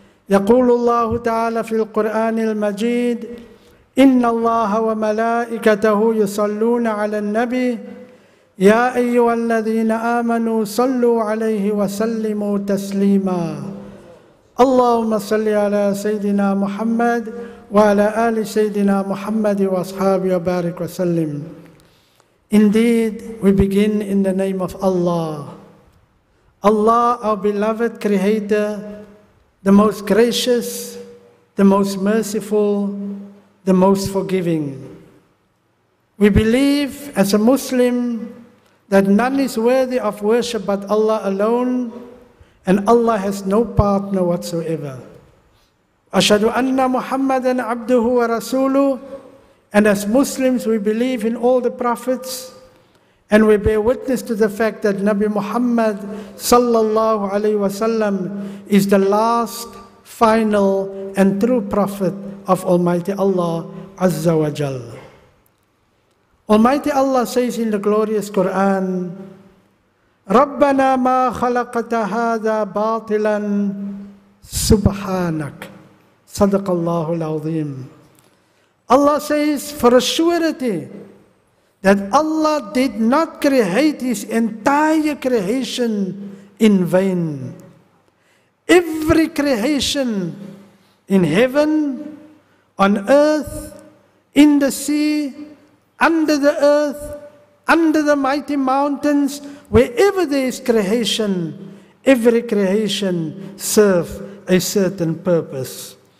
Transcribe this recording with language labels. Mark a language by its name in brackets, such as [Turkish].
[Arabic] يقول الله تعالى في القرآن المجيد: إن الله وملائكته يصلون على النبي يا أيها الذين آمنوا صلوا عليه وسلموا تسليما. اللهم صل على سيدنا محمد وعلى آل سيدنا محمد وأصحابه وبارك وسلم. [English] Indeed, we begin in the name of Allah. Allah, our beloved Creator, the most gracious, the most merciful, the most forgiving. We believe as a Muslim that none is worthy of worship but Allah alone, and Allah has no partner whatsoever. [Arabic] Ashhadu anna Muhammadan abduhu wa rasuluhu, [English] And as Muslims, we believe in all the prophets, and we bear witness to the fact that Nabi Muhammad sallallahu alaihi wasallam is the last, final, and true prophet of Almighty Allah Azza wa Jalla. Almighty Allah says in the glorious Quran, [Arabic] رَبَّنَا مَا خَلَقَتَ هَذَا بَاطِلًا سُبْحَانَكَ صَدَقَ اللَّهُ الْعَظِيمُ. [English] Allah says, for a surety, that Allah did not create His entire creation in vain. Every creation in heaven, on earth, in the sea, under the earth, under the mighty mountains, wherever there is creation, every creation serves a certain purpose.